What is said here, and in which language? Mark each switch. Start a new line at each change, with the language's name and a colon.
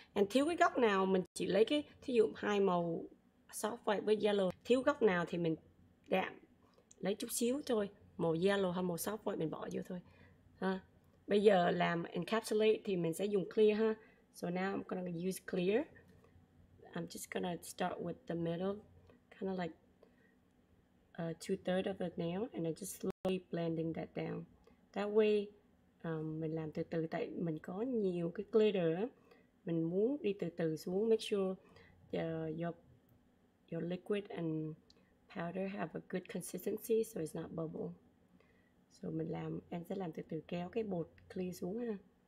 Vietnamese: And thiếu cái góc nào mình chỉ lấy cái, thí dụ hai màu soft white với yellow, thiếu góc nào thì mình đạm lấy chút xíu thôi, màu yellow hay màu soft white mình bỏ vô thôi ha. Bây giờ làm encapsulate thì mình sẽ dùng clear ha.
English: So now I'm gonna use clear. I'm just gonna start with the middle, kind of like two-thirds of the nail, and I'm just slowly blending that down. That way,
Vietnamese: mình làm từ từ, tại mình có nhiều cái glitter, mình muốn đi từ từ xuống,
English: make sure your liquid and powder have a good consistency, so it's not bubble.
Vietnamese: So mình làm, em sẽ làm từ từ kéo cái bột clear xuống ha.